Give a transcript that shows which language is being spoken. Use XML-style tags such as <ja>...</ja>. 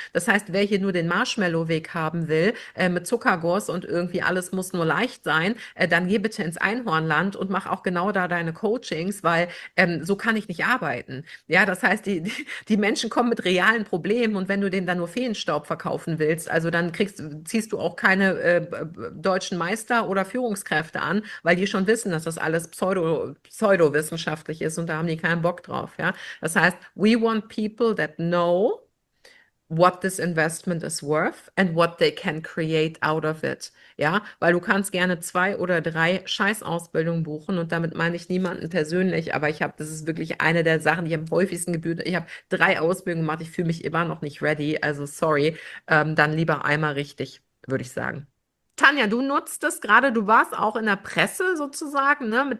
<de>Das heißt, wer hier nur den Marshmallow-Weg haben will, mit Zuckerguss und irgendwie alles muss nur leicht sein, dann geh bitte ins Einhornland und mach auch genau da deine Coachings, weil so kann ich nicht arbeiten. Ja, das heißt, die Menschen kommen mit realen Problemen und wenn du denen dann nur Feenstaub verkaufen willst, also dann ziehst du auch keine deutschen Meister oder Führungskräfte an, weil die schon wissen, dass das alles Pseudo-Wissenschaft wissenschaftlich ist und da haben die keinen Bock drauf. Ja? Das heißt,</de> <en>we want people that know what this investment is worth and what they can create out of it.</en> <de>Ja, weil du kannst gerne 2 oder 3 Scheißausbildungen buchen und damit meine ich niemanden persönlich, aber ich habe, das ist wirklich eine der Sachen, die am häufigsten gebührt. Ich habe 3 Ausbildungen gemacht, ich fühle mich immer noch nicht ready, also sorry, dann lieber einmal richtig, würde ich sagen. Tanja, du nutzt das gerade, du warst auch in der Presse sozusagen, ne?</de>